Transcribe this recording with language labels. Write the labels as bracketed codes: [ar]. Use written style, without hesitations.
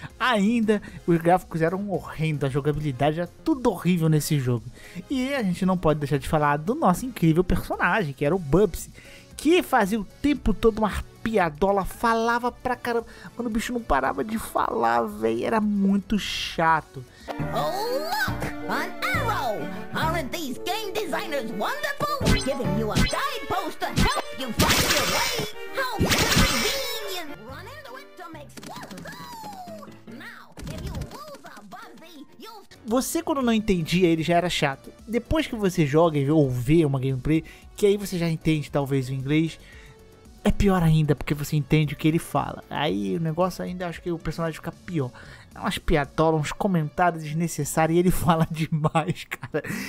[pt] Ainda, os gráficos eram horrendos, a jogabilidade era tudo horrível nesse jogo. E a gente não pode deixar de falar do nosso incrível personagem, que era o Bubsy, que fazia o tempo todo uma piadola, falava pra caramba. Mano, o bicho não parava de falar, velho, era muito chato. [en] Oh, look! An arrow! Aren't these game designers wonderful? Giving you a guidepost to help you find your way! How convenient! Run into it to make sense! Now, if you lose a Bubsy, you'll... [pt] Você, quando não entendia, ele já era chato. Depois que você joga ou vê uma gameplay, que aí você já entende talvez o inglês, é pior ainda, porque você entende o que ele fala. Aí o negócio ainda, acho que o personagem fica pior. É umas piadolas, uns comentários desnecessários, e ele fala demais, cara.